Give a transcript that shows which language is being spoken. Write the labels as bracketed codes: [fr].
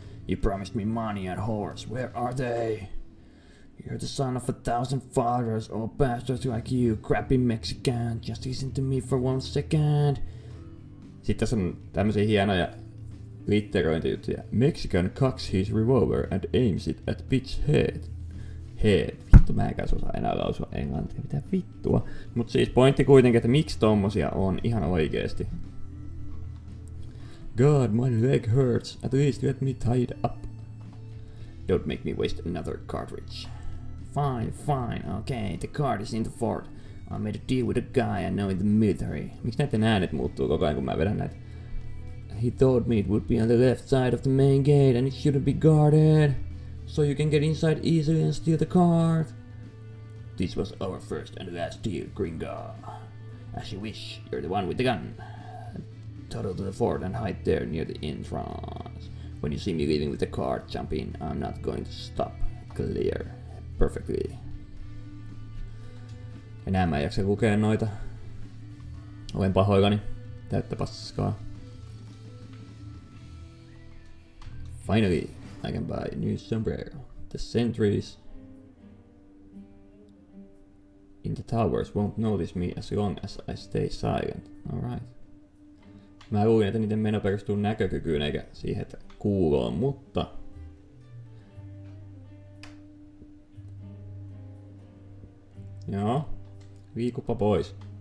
[en] You promised me money and horse. Where are they? You're the son of a thousand fathers, old bastards like you, crappy Mexican. Just listen to me for one second. [fi] Sit tässä on tämmösiä hienoja litterointijuttuja. [en] Mexican cocks his revolver and aims it at bitch head. Head. [fi] Vittu, mä enkäs osaa enää lausua englantia. Mitä vittua? Mut siis pointti kuitenkin, että miksi tommosia on ihan oikeesti. [en] God, my leg hurts. At least let me tie it up. Don't make me waste another cartridge. Fine, fine, okay. The card is in the fort. I made a deal with a guy I know in the military. [fi] Miks näitten äänet muuttuu koko ajan, kun mä vedän näitä? [en] He told me it would be on the left side of the main gate and it shouldn't be guarded. So you can get inside easily and steal the card. This was our first and last deal, Gringa. As you wish, you're the one with the gun. Tuttle to the fort and hide there near the entrance. When you see me leaving with the car, jump in. I'm not going to stop. Clear. Perfectly. [fi] Enää mä en jaksa lukea noita. Olen pahoillani. Täyttä paskaa. [en] Finally, I can buy a new sombrero. The sentries in the towers won't notice me as long as I stay silent. Alright. [fi] Mä luulin, että niiden meno perustuu näkökykyyn eikä siihen, että kuuloo, mutta... Joo. Liikupa pois.